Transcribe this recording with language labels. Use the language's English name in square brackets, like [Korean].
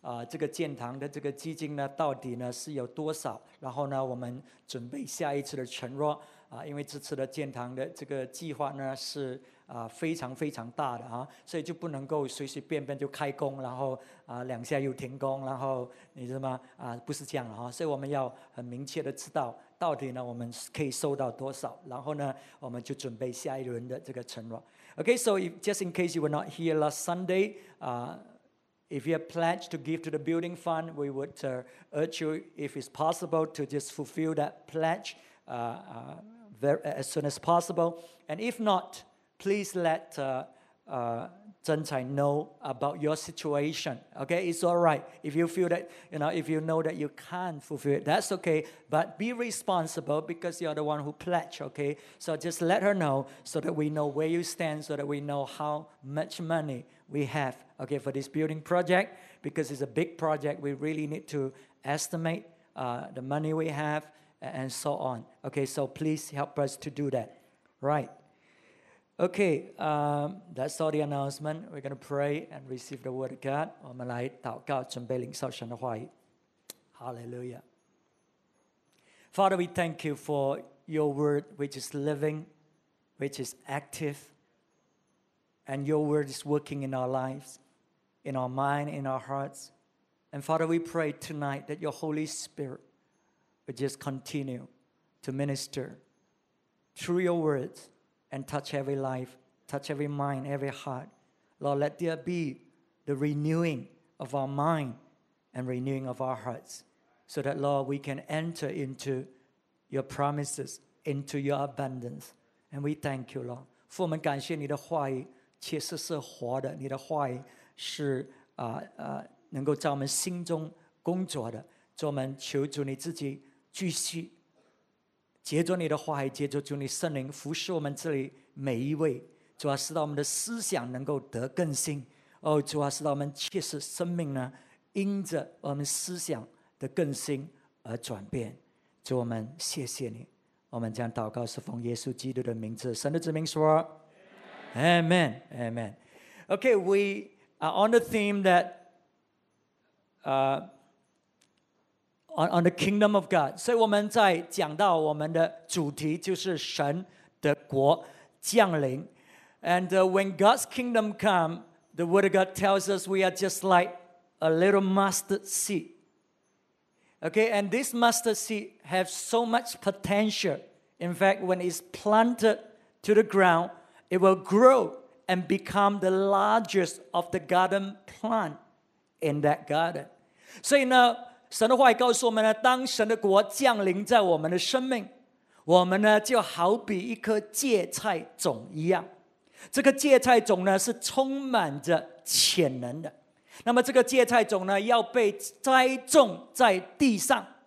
[Chinese] 这个建堂的这个基金呢到底呢是有多少，然后呢我们准备下一次的承诺因为这次的建堂的这个计划呢是非常非常大的所以就不能够随随便便就开工，然后两下又停工，然后你知道吗不是这样所以我们要很明确的知道到底呢我们可以收到多少，然后呢我们就准备下一轮的这个承诺。 [English] OK, so just in case you were not here last Sunday If you have pledged to give to the building fund, we would urge you, if it's possible, to just fulfill that pledge as soon as possible. And if not, please let Zhen Cai know about your situation. Okay, it's all right. If you feel that, you know, if you know that you can't fulfill it, that's okay. But be responsible because you're the one who pledged, okay? So just let her know so that we know where you stand, so that we know how much money we have. Okay, for this building project, because it's a big project, we really need to estimate the money we have and so on. Okay, so please help us to do that. Right. Okay, that's all the announcement. We're going to pray and receive the word of God. [Chinese] 我们来祷告，准备领受神的话语。 [English] Hallelujah. Father, we thank you for your word, which is living, which is active, and your word is working in our lives, in our mind, in our hearts. And Father, we pray tonight that your Holy Spirit would just continue to minister through your words and touch every life, touch every mind, every heart. Lord, let there be the renewing of our mind and renewing of our hearts so that, Lord, we can enter into your promises, into your abundance. And we thank you, Lord. [Chinese] 父，我们感谢你的话语确实是活的，你的话语是能够在我们心中工作的。主，我们求主你自己继续接着你的话语，接着主你圣灵服侍我们这里每一位。主啊，使到我们的思想能够得更新。哦，主啊，使到我们确实生命呢，因着我们思想的更新而转变。主，我们谢谢你。我们将祷告是奉耶稣基督的名字，神的子民说 ，Amen，Amen。Amen. Amen. [English] Okay, we are on the theme that on the kingdom of God. [Chinese] 所以我们在讲到我们的主题就是神的国降临。 [English] And when God's kingdom come, the word of God tells us we are just like a little mustard seed. Okay, and this mustard seed has so much potential. In fact, when it's planted to the ground, it will grow and become the largest of the garden plant in that garden. [Chinese] 所以呢，神的话告诉我们呢，当神的国降临在我们的生命，我们呢就好比一颗芥菜种一样。这个芥菜种呢是充满着潜能的。那么这个芥菜种呢要被栽种在地上。